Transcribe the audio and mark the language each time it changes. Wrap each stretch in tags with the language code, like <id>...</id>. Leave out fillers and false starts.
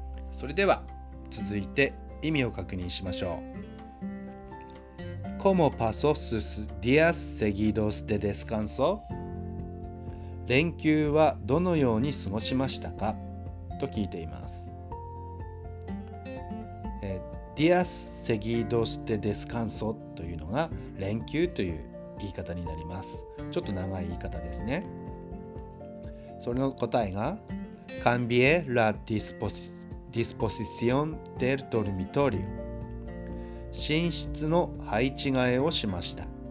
<ja>それでは、続いて意味を確認しましょう。</ja> <es>¿Cómo pasó sus días seguidos de descanso?</es> <ja>連休はどのように過ごしましたか? と聞いています。</ja> <es>Días seguidos de descanso</es> <ja>というのが連休という言い方になります。ちょっと長い言い方ですね。それの答えが</ja> <es>Cambié la disposición del dormitorio</es> <ja>寝室の配置替えをしました。</ja>